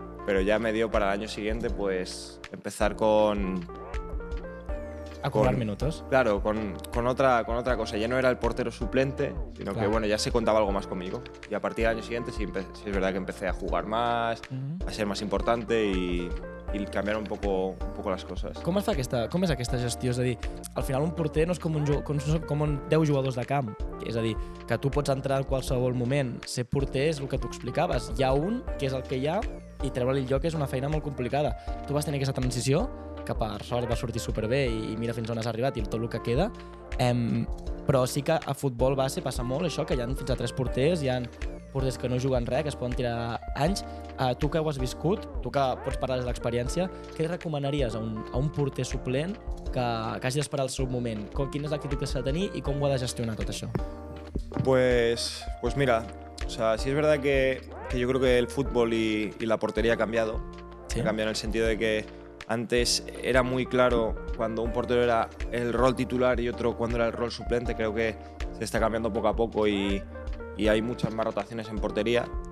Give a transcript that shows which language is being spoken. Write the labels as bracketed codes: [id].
[es] Pero ya me dio para el año siguiente, pues, empezar con... A cobrar minutos. Claro, con otra cosa. Ya no era el portero suplente, sino claro. Que bueno, ya se contaba algo más conmigo. Y a partir del año siguiente sí es verdad que empecé a jugar más, uh-huh. A ser más importante y cambiar un poco las cosas. ¿Cómo es [ca] aquesta gestió? És a dir, al final un porter no és com un 10 jugadors de camp. És a dir, que tu pots entrar en qualsevol moment. Ser porter és el que tu explicaves. Hi ha un que és el que hi ha i treure-li el lloc és una feina molt complicada. Tu vas tenir aquesta transició, que per sort va sortir superbé i mira fins on has arribat i tot el que queda. Però sí que a futbol base passa molt això, que hi ha fins a 3 porters, hi ha porters que no juguen res, que es poden tirar anys. Tu que ho has viscut, tu que pots parlar des de l'experiència, què recomanaries a un porter suplent que hagi d'esperar el seu moment? Quina és l'actitud que s'ha de tenir i com ho ha de gestionar tot això? [es] Pues mira, o sea, sí, es verdad que yo creo que el fútbol y la portería ha cambiado. Sí. Ha cambiado en el sentido de que antes era muy claro cuando un portero era el rol titular y otro cuando era el rol suplente. Creo que se está cambiando poco a poco y hay muchas más rotaciones en portería.